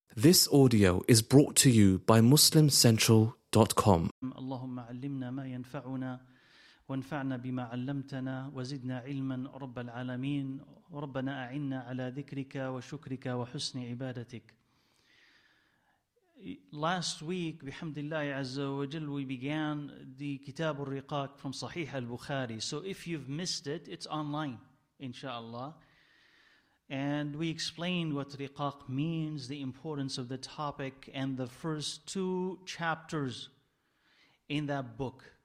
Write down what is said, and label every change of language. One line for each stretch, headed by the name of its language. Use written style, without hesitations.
English: This audio is brought to you by MuslimCentral.com.
Arabic: اللهم علمنا ما ينفعنا وانفعنا بما علمتنا وزدنا علما رب العالمين ربنا أعنا على ذكرك وشكرك وحسن عبادتك.
English: Last week,
Arabic: بحمد الله عز وجل,
English: we began the Kitab al-Riqaq from Sahih al-Bukhari. So if you've missed it, it's online, inshallah. And we explained what riqaq means, the importance of the topic, and the first two chapters in that book.